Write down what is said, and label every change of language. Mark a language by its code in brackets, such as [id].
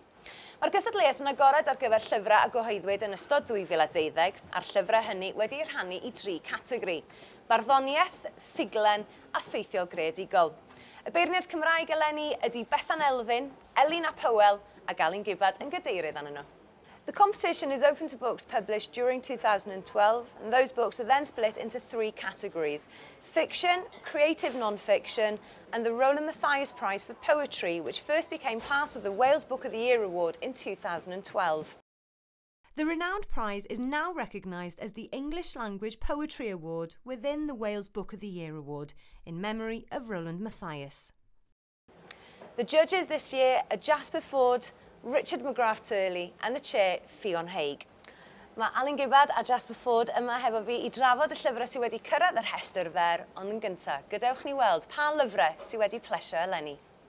[cy] Mae'r cystadleuaeth yn agored ar gyfer llyfrau a gyhoeddwyd yn ystod 2012, a'r llyfrau hynny wedi eu rhannu I tri categori, barddoniaeth, ffuglen a ffeithiol greadigol. Y beirniad Cymraeg eleni ydy Bethan Elfyn, Elin Ap Hywel a Alun Gibbard yn gydeirydd anon nhw. [en] The competition is open to books published during 2012 and those books are then split into three categories. Fiction, creative non-fiction and the Roland Matthias Prize for Poetry which first became part of the Wales Book of the Year Award in 2012. The renowned prize is now recognised as the English Language Poetry Award within the Wales Book of the Year Award, in memory of Roland Matthias. The judges this year are Jasper Fforde, Richard McGrath Turley and the chair, Fion Haig. [cy] Mae Alun Gibbard a Jasper Fforde yma hefo fi I drafod y llyfrau sy wedi cyrraedd yr Rhestr Fer, ond yn gyntaf, gadewch ni weld pa lyfrau sy wedi plesio eleni.